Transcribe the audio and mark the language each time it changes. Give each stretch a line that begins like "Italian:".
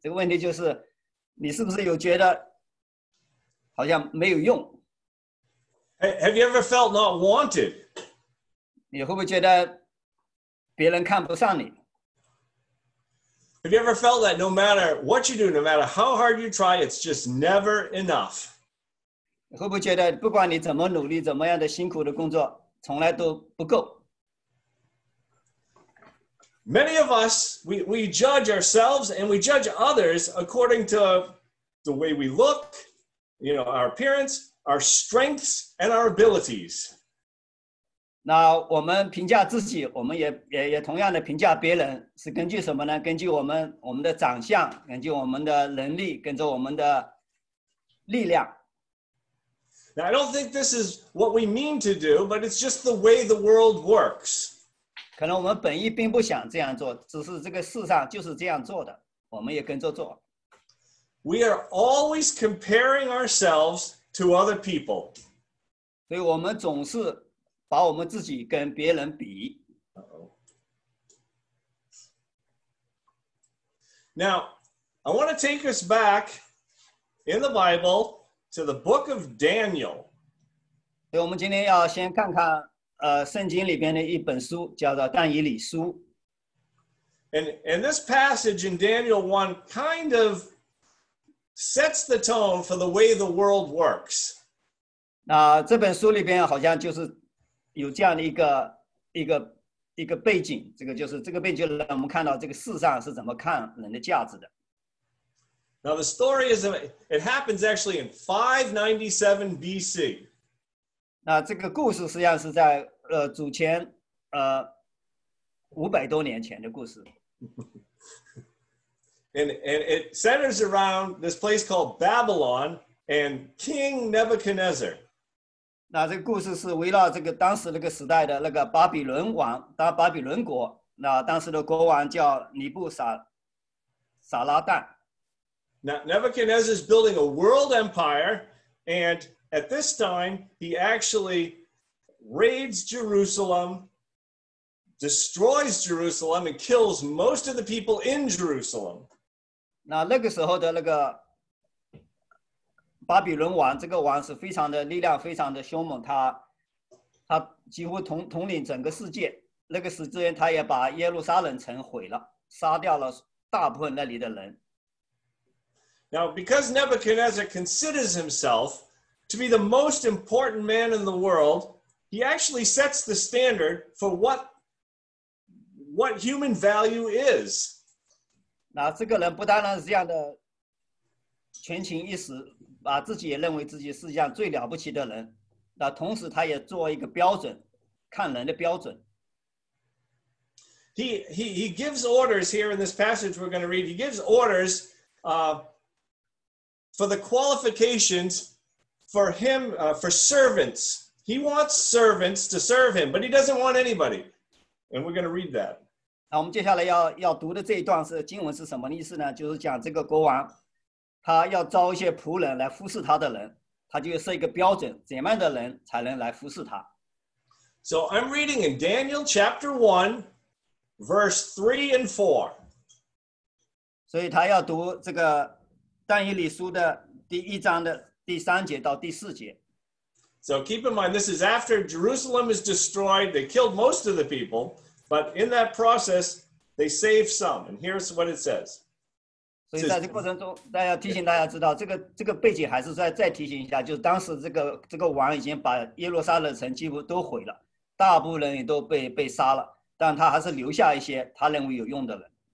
Chinese: 这个问题就是，你是不是有觉得好像没有用？
English: Have you ever felt not wanted?
Chinese: 你会不会觉得别人看不上你？
English: Have you ever felt that no matter what you do, no matter how hard you try, it's just never enough?
Chinese: 你会不会觉得不管你怎么努力，怎么样的辛苦的工作，从来都不够？
English: Many of us, we judge ourselves and we judge others according to the way we look,You know, our appearance, our strengths, and our abilities.
Chinese: 那我们评价自己，我们也同样的评价别人，是根据什么呢？根据我们的长相，根据我们的能力，跟着我们的力量。
English: Now, I don't think this is what we mean to do, but it's just the way the world works.
Chinese: 可能我们本意并不想这样做，只是这个世上就是这样做的，我们也跟着做。
English: We are always comparing ourselves to other people.
Chinese: 所以我们总是把我们自己跟别人比。
English: Now, I want to take us back in the Bible to the book of Daniel.
Chinese: 所以我们今天要先看看圣经里边的一本书，叫做《但以理书》。
English: And this passage in Daniel 1 kind of sets the tone for the way the world works.
Chinese: 那这本书里边好像就是有这样的一个背景，这个背景让我们看到这个世上是怎么看人的价值的。
English: Now the story is, it happens actually in 597 BC.
Chinese: 那这个故事实际上是在主前500多年前的故事。
English: And it centers around this place called Babylon and King Nebuchadnezzar.
Chinese: 那这个故事是围绕这个当时那个时代的那个巴比伦王，当巴比伦国，那当时的国王叫尼布撒拉旦。
English: Now Nebuchadnezzar is building a world empire, and at this time he actually raids Jerusalem, destroys Jerusalem, and kills most of the people in Jerusalem.
Chinese: 那那个时候的那个巴比伦王，这个王是非常的力量，非常的凶猛。他几乎统领整个世界。那个时间，他也把耶路撒冷城毁了，杀掉了大部分那里的人。
English: Now, because Nebuchadnezzar considers himself to be the most important man in the world, he actually sets the standard for what human value is.
Chinese: 那这个人不单单是这样的全情一时，把自己也认为自己世界上最了不起的人，那同时他也做一个标准，看人的标准。
English: He gives orders here in this passage we're going to read. He gives orders for the qualifications for him, for servants. He wants servants to serve him, but he doesn't want anybody. And we're going to read that.
Chinese: 那我们接下来 要读的这一段是经文是什么意思呢？就是讲这个国王他要招一些仆人来服侍他的人，他就设一个标准，怎样的人才能来服侍他。
English: So I'm reading in Daniel chapter 1 verse 3 and 4.
Chinese: 所以他要读这个但以理书的第一章的第三节到第四节。
English: So keep in mind this is after Jerusalem is destroyed, they killed most of the people, but in that process they saved some, and here's what it says.
Chinese: 所以在这个过程中大家提醒大家知道这个背景还是再提醒一下，就是当时这个王已经把耶路撒冷城几乎都毁了，大部分人也都被杀了，但他还是留下一些他认为有用的人。